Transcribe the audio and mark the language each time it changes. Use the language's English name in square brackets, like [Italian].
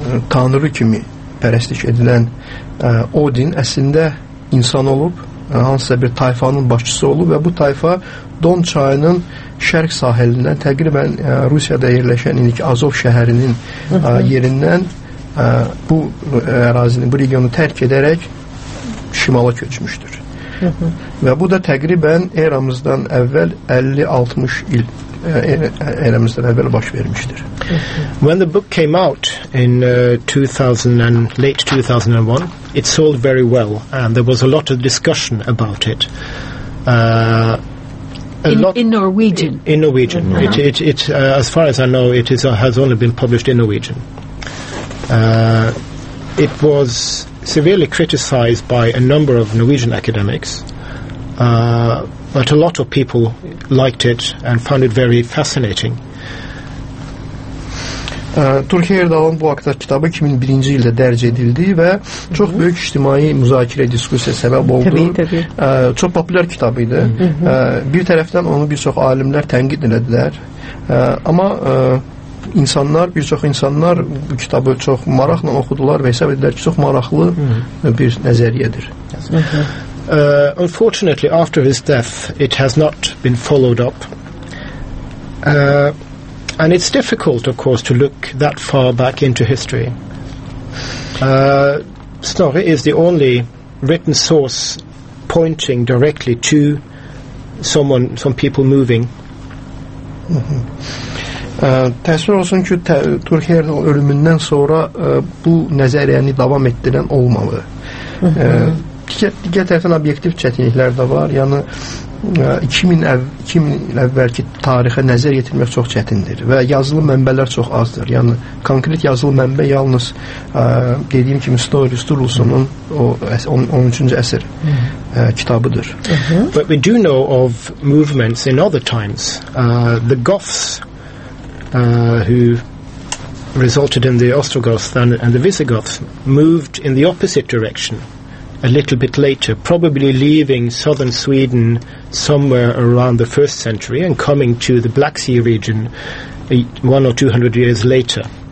[Azerbaijani] tanrı kimi pərəstiş edilən Odin əslində insan olub, hansısa bir tayfanın başçısı olub və bu tayfa Don çayının şərq sahilindən təqribən Rusiyada yerləşən indiki Azov şəhərinin yerindən bu ərazini, bu regionu tərk edərək şimala köçmüşdür. Və bu da təqribən eramızdan əvvəl 50-60 il [English] When the book came out in 2000 and late 2001, it sold very well, and there was a lot of discussion about it. In Norwegian. In Norwegian. Mm-hmm. It as far as I know, it is has only been published in Norwegian. It was severely criticized by a number of Norwegian academics. But a lot of people liked it and found it very fascinating. [Azerbaijani] Turhi Erdal'ın bu haqda kitabı 2001-ci ildə dərc edildi və çox böyük ictimai müzakirə, diskusiya səbəb oldu. Təbii, təbii. Çox populyar kitabıydı. Bir tərəfdən onu bir çox alimlər tənqid elədilər. Amma insanlar, bir çox insanlar bu kitabı çox maraqla oxudular və hesab edilər ki, çox maraqlı bir nəzəriyyədir. [English] Unfortunately, after his death, it has not been followed up. And it's difficult, of course, to look that far back into history. Snorri is the only written source pointing directly to someone, some people moving. [Azerbaijani] Təəssüf olsun ki, Turhi Erdal ölümündən sonra bu nəzəriyyəni davam etdirən olmalı. Digər tərəfdən obyektiv çətinliklər də var. Yəni, 2000 il əvvəlki tarixə nəzər yetirmək çox çətindir və yazılı mənbələr çox azdır. Yəni, konkret yazılı mənbə yalnız dediyim kimi Snorri Sturluson'un o 13-cü əsr kitabıdır. [English] But we do know of movements in other times. The Goths who resulted in the Ostrogoths and the Visigoths moved in the opposite direction a little bit later, probably leaving southern Sweden somewhere around the first century and coming to the Black Sea region 100 or 200 years later.